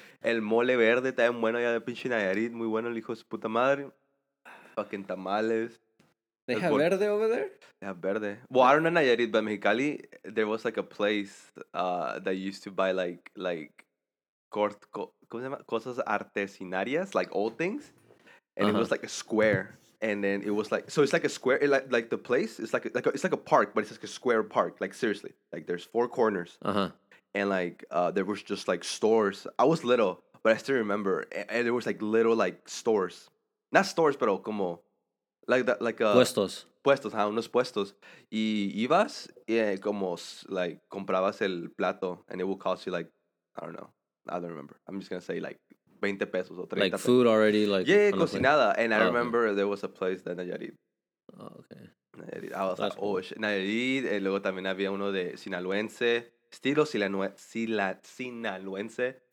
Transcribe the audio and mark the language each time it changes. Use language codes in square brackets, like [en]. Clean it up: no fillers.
[es] El mole verde está en bueno ya de pinche Nayarit. Muy bueno, hijo de puta madre. [en] Fucking tamales. They have verde over there? They have verde. Well, I don't know Nayarit, but Mexicali, there was like a place that used to buy like [es] cosas artesanarias, [en] like old things. And It was like a square, and then it was like, so it's like a square, like the place, it's like a park, but it's like a square park, like seriously, like there's four corners, and like, there was just like stores. I was little, but I still remember, and there was like little like stores, not stores, [es] pero como, [en] like that, like, [es] puestos, puestos, huh? Unos puestos, y ibas, [en] yeah, [es] como, [en] like, [es] comprabas el plato, [en] and it would cost you like, I don't know, I don't remember, I'm just gonna say like, 20 pesos or 30 like food pesos. Already like yeah [es] cocinada [en] and I remember there was a place that Nayarit. Oh okay. Nayarit. I was That's like cool. Oh shit. [es] Nayarit [en] and [es] luego también había uno de sinaloense estilo sinaloense.